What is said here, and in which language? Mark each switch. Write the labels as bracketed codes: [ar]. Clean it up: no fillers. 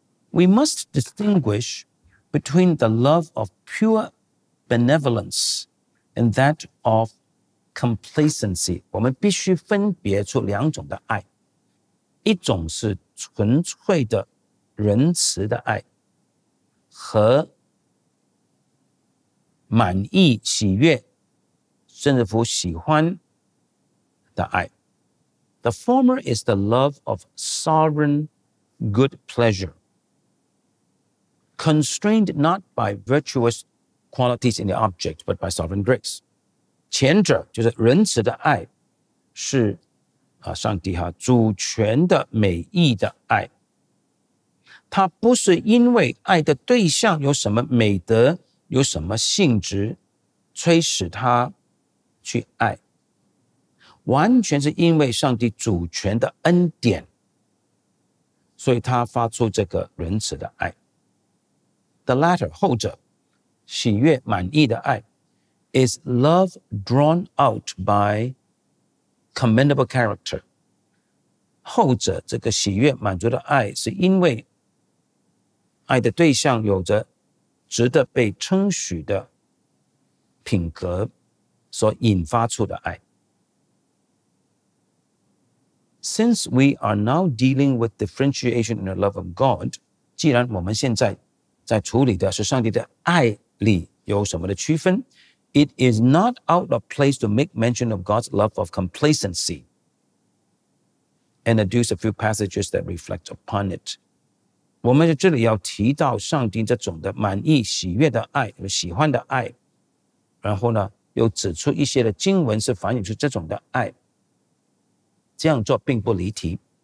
[en] We must distinguish between the love of pure benevolence and that of complacency。 [zh] 我们必须分别出两种的爱，一种是纯粹的仁慈的爱和满意喜悦甚至乎喜欢的爱。 [en] The former is the love of sovereign good pleasure, constrained not by virtuous qualities in the object, but by sovereign grace. [zh] 前者就是仁慈的爱，是上帝哈主权的美意的爱。它不是因为爱的对象有什么美德有什么性质催使他去爱，完全是因为上帝主权的恩典，所以他发出这个仁慈的爱。 [en] The latter [zh] 后者喜悦满意的爱 [en] is love drawn out by commendable character。 [zh] 后者这个喜悦满足的爱是因为爱的对象有着值得被称许的品格所引发出的爱。 [en] Since we are now dealing with differentiation in the love of God, [zh] 既然我们现在在处理的是上帝的爱里有什么的区分， [en] It is not out of place to make mention of God's love of complacency and adduce a few passages that reflect upon it。 [zh] 我们这里要提到上帝这种的满意喜悦的爱，喜欢的爱，然后呢又指出一些的经文是反映出这种的爱，这样做并不离题。